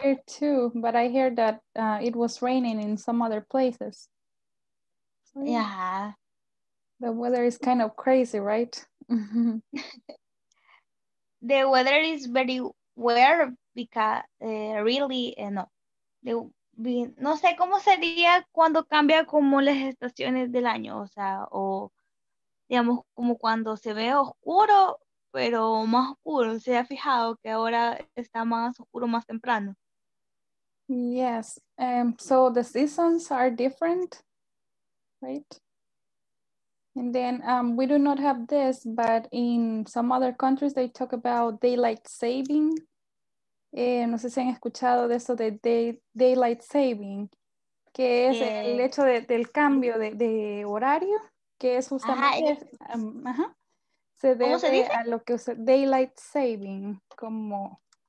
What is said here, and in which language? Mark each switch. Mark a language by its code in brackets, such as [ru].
[en] Here too, but I hear that it was raining in some other places. So, yeah. The weather is kind of crazy, right? The weather is very weird because really, no. [es] No sé cómo sería cuando cambia como las estaciones del año, o sea, o digamos como cuando se ve oscuro, pero más oscuro. ¿Se ha fijado que ahora está más oscuro más temprano? [en] Yes, so the seasons are different, right? And then we do not have this, but in some other countries they talk about daylight saving. [es] No sé si han escuchado de eso de daylight saving, que es el hecho del cambio de horario, que es justamente... Se debe ¿cómo se dice? A lo que usa daylight saving, como...